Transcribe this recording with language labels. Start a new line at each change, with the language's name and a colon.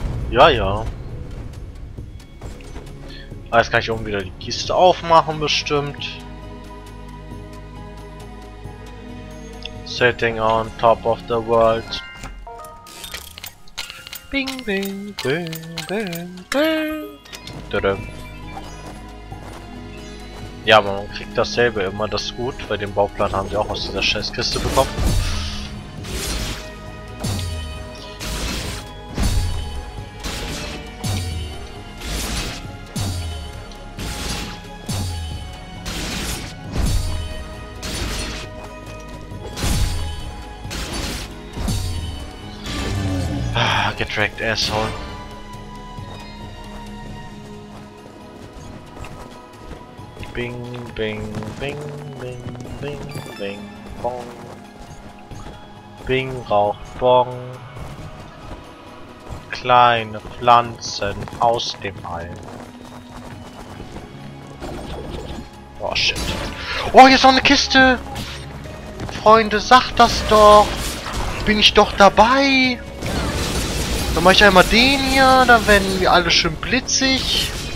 German: Ja, ja. Ah, jetzt kann ich oben wieder die Kiste aufmachen, bestimmt.
English: Sitting on top of the world. Bing, bing, bing, bing, bing. Tudum.
German: Ja, aber man kriegt dasselbe immer, das ist gut, weil den Bauplan haben sie auch aus dieser scheiß Kiste bekommen.
English: Get wrecked, asshole. Bing, bing, bing, bing, bing, bing, bong.
German: Bing raucht Bong. Kleine Pflanzen aus dem All.
English: Oh shit.
German: Oh, hier ist noch eine Kiste! Freunde, sag das doch! Bin ich doch dabei! Dann mache ich einmal den hier, dann werden wir alle schön blitzig.